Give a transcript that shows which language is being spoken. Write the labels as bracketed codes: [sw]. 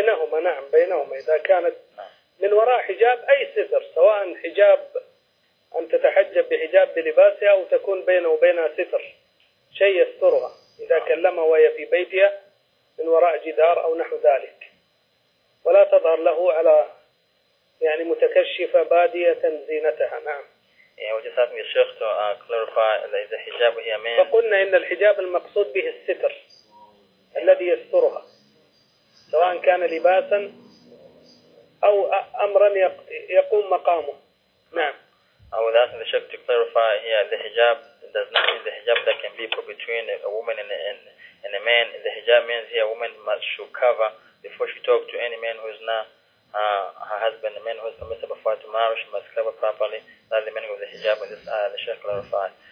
[ar] بينهما نعم بينهما إذا كانت من وراء حجاب أي ستر سواء حجاب أن تتحجب بحجاب بلباسها أو تكون بينه وبينها ستر شيء يسترها إذا كلمها وهي في بيتها من وراء جدار أو نحو ذلك ولا تظهر له على يعني متكشفة بادية زينتها نعم. [en] Yeah, we just have me sheikh to clarify that the hijab here means. [ar] فقلنا إن الحجاب المقصود به الستر الذي يسترها سواء كان لباسا أو أمرا يقوم مقامه نعم. [en] I was asking the sheikh to clarify here the hijab does not mean the hijab that can be put between a woman and a man. The hijab means here a woman must should cover before she talk to any man who is not. Her husband, the man who is permissible for her to marry, she must cover properly. That's the meaning of the hijab in this ayah, the Shaykh clarified.